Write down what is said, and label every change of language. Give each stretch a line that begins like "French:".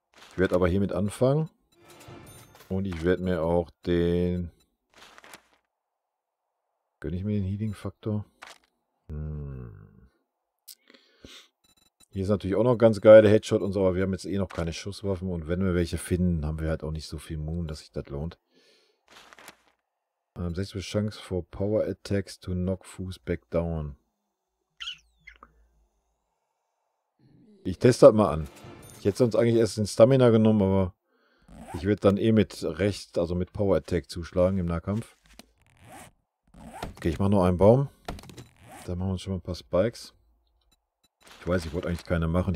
German: Ich werde aber hiermit anfangen und ich werde mir auch den... Gönne ich mir den Healing Faktor? Hier ist natürlich auch noch ganz geile Headshot und so, aber wir haben jetzt eh noch keine Schusswaffen. Und wenn wir welche finden, haben wir halt auch nicht so viel Moon, dass sich das lohnt.
English: 60% Chance for Power Attacks to knock Foos back down.
German: Ich teste das mal an. Ich hätte sonst eigentlich erst den Stamina genommen, aber ich werde dann eh mit rechts, also mit Power Attack zuschlagen im Nahkampf. Okay, ich mache nur einen Baum. Dann machen wir uns schon mal ein paar Spikes. Ich weiß, ich wollte eigentlich keine machen.